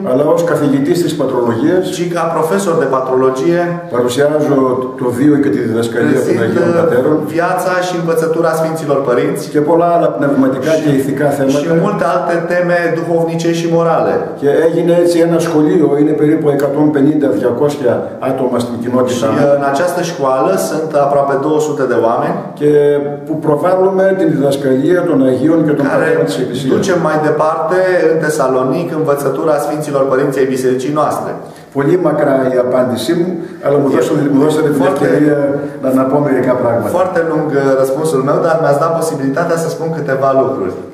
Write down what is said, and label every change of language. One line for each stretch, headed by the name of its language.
Greek: Αλλά ως καθηγητής της πατρολογίας.
Romanian: Și ca profesor de patrologie.
Greek: Παρουσιάζω το βίο και τη διδασκαλία των Αγίων Πατέρων.
Romanian: Viața și învățătura Sfinților Părinți.
Greek: Και πολλά άλλα πνευματικά και ηθικά θέματα.
Romanian: Alte teme duhovnice și morale.
Greek: Και έγινε έτσι ένα σχολείο, είναι περίπου 150-200 άτομα στην κοινότητα.
Romanian: Și în această școală sunt aproape 200 de oameni.
Greek: Και που προβάλλουμε την διδασκαλία των Αγίων και των Πατέρων της Εκκλησίας.
Romanian: Ducem mai departe în Tesalonic învățătura Sfinților Părinții ai Bisericii noastre.
Greek: Πολύ μακρά η απάντησή μου, αλλά μου δώσατε την ευκαιρία να πω μερικά πράγματα.
Romanian: Foarte lung răspunsul meu, dar mi-ați dat posibilitatea să spun câteva lucruri.